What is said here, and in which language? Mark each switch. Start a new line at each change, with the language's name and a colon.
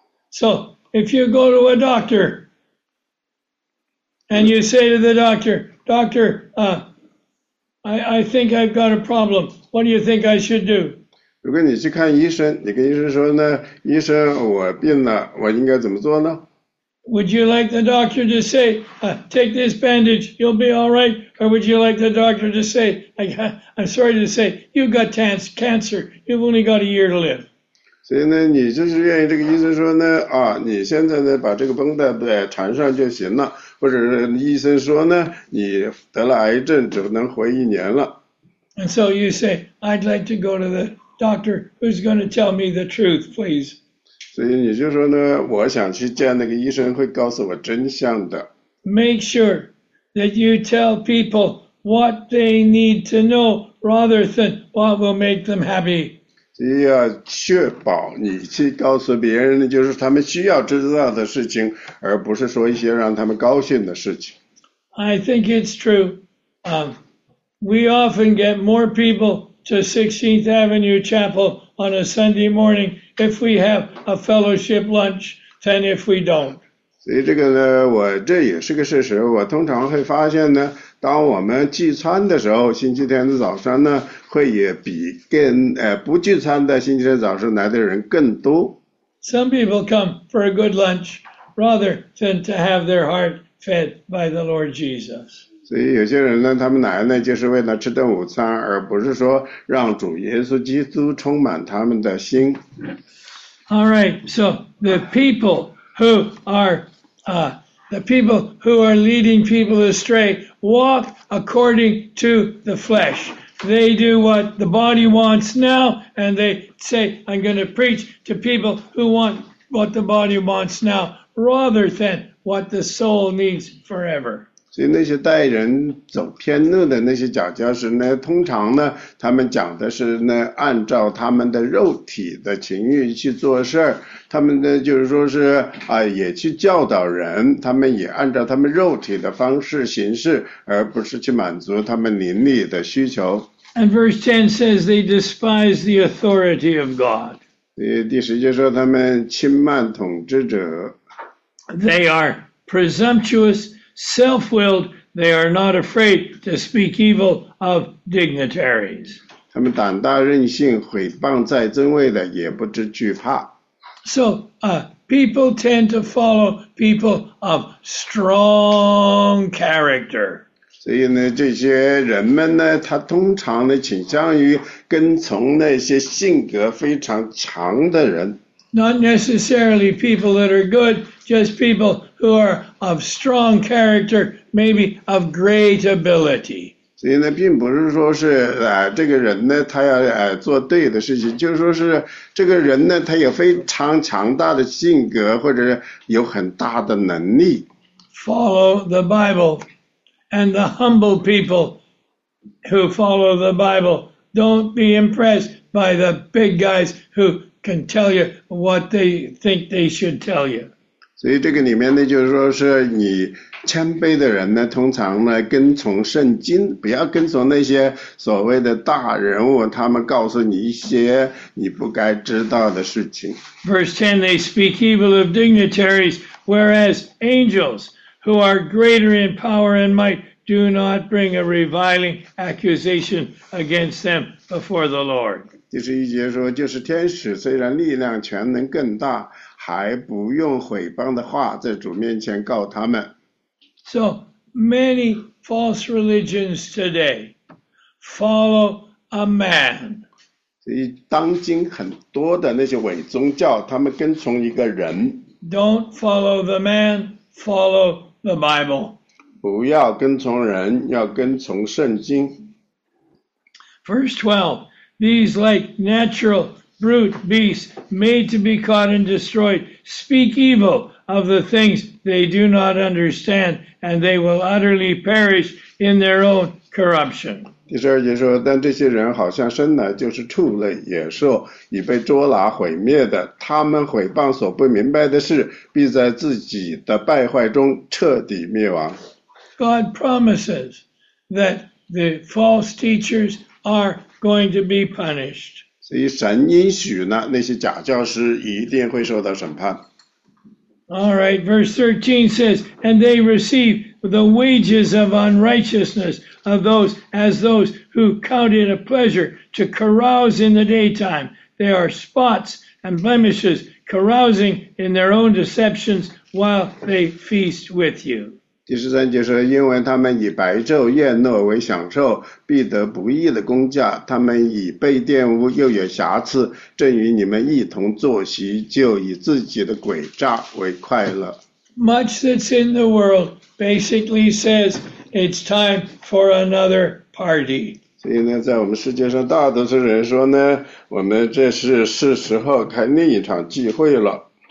English: So, if you go to a doctor, and you say to the doctor, Doctor, I think I've got a problem, what do you think I should do?
Chinese: 如果你去看医生，你跟医生说呢，医生，我病了，我应该怎么做呢？
English: Would you like the doctor to say, take this bandage, you'll be all right? Or would you like the doctor to say, I'm sorry to say, you've got cancer, you've only got a year to live?
Chinese: 所以呢，你就是愿意这个医生说呢，啊，你现在呢把这个绷带再缠上就行了，或者是医生说呢，你得了癌症只能活一年了。
English: And so you say, I'd like to go to the doctor who's going to tell me the truth, please.
Chinese: 所以你就说呢，我想去见那个医生，会告诉我真相的。
English: Make sure that you tell people what they need to know, rather than what will make them happy.
Chinese: 你要确保你去告诉别人的就是他们需要知道的事情，而不是说一些让他们高兴的事情。
English: I think it's true. We often get more people to 16th Avenue Chapel on a Sunday morning if we have a fellowship lunch than if we don't.
Chinese: 所以这个呢，我这也是个事实。我通常会发现呢，当我们聚餐的时候，星期天的早上呢，会也比跟不聚餐的星期天早上来的人更多。
English: Some people come for a good lunch rather than to have their heart fed by the Lord Jesus.
Chinese: 所以有些人呢，他们来呢就是为了吃顿午餐，而不是说让主耶稣基督充满他们的心。
English: All right, so the people who are the people who are leading people astray walk according to the flesh. They do what the body wants now, and they say, I'm going to preach to people who want what the body wants now, rather than what the soul needs forever.
Chinese: 所以那些带人走偏路的那些假教师呢，通常呢，他们讲的是呢，按照他们的肉体的情欲去做事儿。他们呢，就是说是啊，也去教导人，他们也按照他们肉体的方式行事，而不是去满足他们灵力的需求。
English: And verse 10 says they despise the authority of God.
Chinese: 第十节说他们轻慢统治者。
English: They are presumptuous, self-willed. They are not afraid to speak evil of dignitaries.
Chinese: 他们胆大任性，毁谤在尊位的，也不知惧怕。
English: So, people tend to follow people of strong character.
Chinese: 所以呢，这些人们呢，他通常呢，倾向于跟从那些性格非常强的人。
English: Not necessarily people that are good, just people who are of strong character, maybe of great ability.
Chinese: 所以呢，并不是说是这个人呢，他要做对的事情，就是说是这个人呢，他有非常强大的性格，或者有很大的能力。
English: Follow the Bible, and the humble people who follow the Bible don't be impressed by the big guys who can tell you what they think they should tell you.
Chinese: 所以这个里面呢，就是说是你。谦卑的人呢，通常呢跟从圣经，不要跟从那些所谓的大人物，他们告诉你一些你不该知道的事情。
English: Verse 10, they speak evil of dignitaries, whereas angels, who are greater in power and might, do not bring a reviling accusation against them before the Lord.
Chinese: 第十一节说，就是天使虽然力量全能更大，还不用毁谤的话在主面前告他们。
English: So many false religions today follow a man.
Chinese: 所以当今很多的那些伪宗教，他们跟从一个人。
English: Don't follow the man, follow the Bible.
Chinese: 不要跟从人，要跟从圣经。
English: Verse 12, these like natural brute beasts made to be caught and destroyed speak evil. Of the things they do not understand, and they will utterly perish in their own corruption.
Chinese: 第十二节说，但这些人好像生来就是畜类、野兽，已被捉拿毁灭的。他们毁谤所不明白的事，必在自己的败坏中彻底灭亡。
English: God promises that the false teachers are going to be punished.
Chinese: 所以神应许呢，那些假教师一定会受到审判。
English: All right, verse 13 says, and they receive the wages of unrighteousness of those as those who count it a pleasure to carouse in the daytime. They are spots and blemishes, carousing in their own deceptions while they feast with you.
Chinese: 第十三节说，因为他们以白昼宴乐为享受，必得不义的工价。他们以被玷污，又有瑕疵，正与你们一同坐席，就以自己的诡诈为快乐。
English: Much that's in the world basically says it's time for another party.
Chinese: 所以呢，在我们世界上，大多数人说呢，我们这是时候开另一场聚会了。